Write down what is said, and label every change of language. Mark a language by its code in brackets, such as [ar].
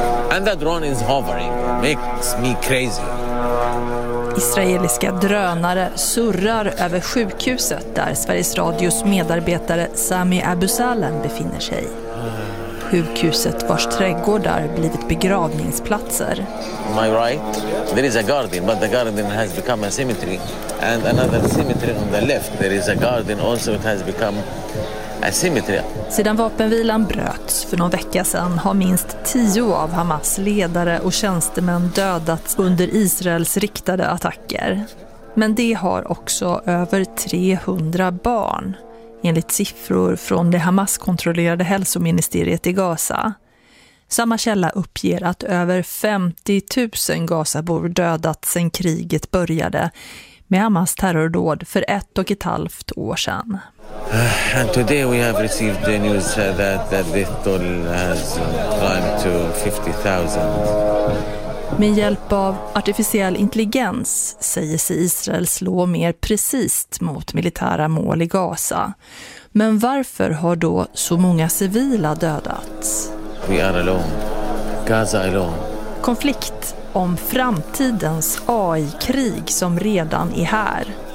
[en] And that drone is hovering. Makes me crazy. [sv] Israeliska drönare surrar över sjukhuset där Sveriges Radios medarbetare Sami Abu Salem befinner sig. Sjukhuset vars trädgårdar blivit begravningsplatser. [en] My right, there is a garden, but the garden has become a cemetery. And another cemetery on the left, there is a garden also, it has become a cemetery. [sv] Sedan vapenvilan bröts för någon vecka sedan har minst 10 av Hamas ledare och tjänstemän dödats under Israels riktade attacker. Men det har också över 300 barn, enligt siffror från det Hamas-kontrollerade hälsoministeriet i Gaza. Samma källa uppger att över 50 000 Gazabor dödats sedan kriget började med Hamas terrordåd för 1,5 år sedan. [en] And today we have received the news that the death toll has climbed to 50,000. [sv] Med hjälp av artificiell intelligens säger sig Israel slå mer precist mot militära mål i Gaza. Men varför har då så många civila dödats? [en] We are alone. Gaza alone. [sv] Konflikt om framtidens AI-krig som redan är här.